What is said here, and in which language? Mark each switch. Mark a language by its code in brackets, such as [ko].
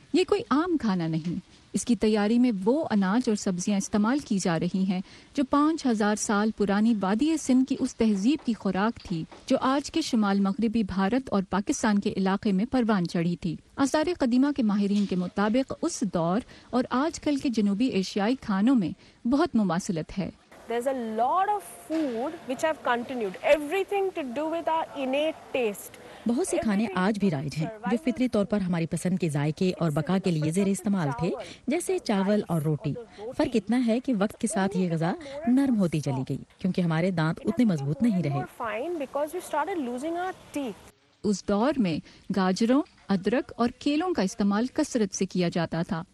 [ur] یہ کوئی عام کھانا نہیں, اس کی تیاری میں وہ اناج اور سبزیاں استعمال کی جا رہی ہیں جو 5000 سال پرانی وادی سندھ کی اس تہذیب کی خوراک تھی جو آج کے شمال مغربی بھارت اور پاکستان کے علاقے میں پروان چڑھی تھی. آثار قدیمہ کے ماہرین کے مطابق اس دور اور آج کل کے جنوبی ایشیائی کھانوں میں بہت مماثلت ہے. [en] There's a lot of food which have continued, everything to do with our innate taste. [ur] بہت سے کھانے آج بھی رائج ہیں جو فطری طور پر ہماری پسند کے ذائقے اور بقا کے لیے زیر استعمال تھے, جیسے چاول اور روٹی. فرق اتنا ہے کہ وقت کے ساتھ یہ غذا نرم ہوتی چلی گئی کیونکہ ہمارے دانت اتنے مضبوط نہیں رہے. اس دور میں گاجروں, ادرک اور کیلوں کا استعمال کثرت سے کیا جاتا تھا.